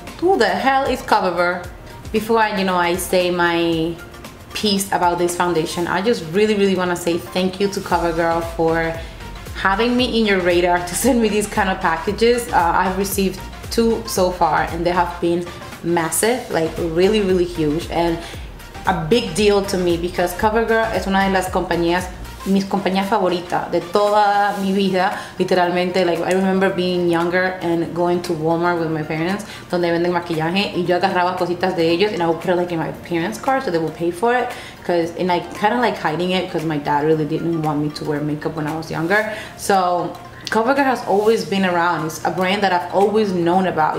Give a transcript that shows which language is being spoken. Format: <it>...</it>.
<en>Who the hell is CoverVer? Before I, you know, I say my piece about this foundation, I just really, really wanna say thank you to CoverGirl for having me in your radar to send me these kind of packages. I've received two so far and they have been massive, like really, really huge. And a big deal to me because</en> <es>CoverGirl es una de las compañías, mis compañías favoritas de toda mi vida, literalmente.</es> <en>Like I remember being younger and going to Walmart with my parents,</en> <es>donde venden maquillaje, y yo agarraba cositas de ellos</es> <en>and I would put it like in my parents' car so they would pay for it, because and I kind of like hiding it because my dad really didn't want me to wear makeup when I was younger. So CoverGirl has always been around. It's a brand that I've always known about.</en>